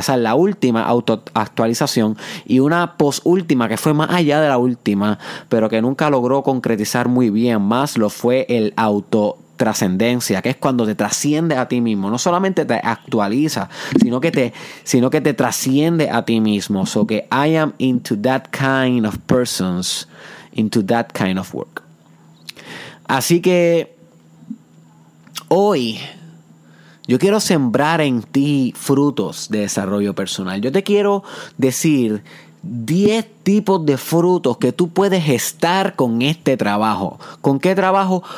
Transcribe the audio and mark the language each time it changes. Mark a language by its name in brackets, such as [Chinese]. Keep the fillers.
[Spanish] O sea, la última autoactualización y una posúltima que fue más allá de la última, pero que nunca logró concretizar muy bien Más lo fue el autotrascendencia, que es cuando te trasciende a ti mismo, no solamente te actualiza, sino que te, sino que te trasciende a ti mismo. [English] So que okay, I am into that kind of persons, into that kind of work. [Spanish] Así que hoy yo quiero sembrar en ti frutos de desarrollo personal. Yo te quiero decir 10 tipos de frutos que tú puedes estar con este trabajo. ¿Con qué trabajo?